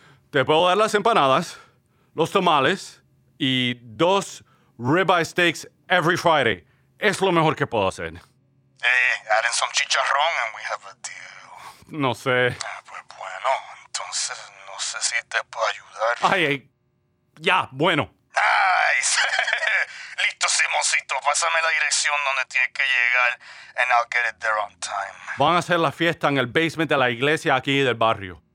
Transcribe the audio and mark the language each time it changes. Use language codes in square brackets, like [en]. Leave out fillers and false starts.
[es] Te puedo dar las empanadas, los tamales y 2 [en] ribeye steaks every Friday. [es] Es lo mejor que puedo hacer. [en] Hey, add in some chicharrón and we have a deal. [es] No sé. Pues bueno, entonces no sé si te puedo ayudar. Ay, ay. Ya, bueno. [en] Nice. [es] Listo, Simoncito. Pásame la dirección donde tiene que llegar [en] and I'll get it there on time. [es] Van a hacer la fiesta en el basement de la iglesia aquí del barrio.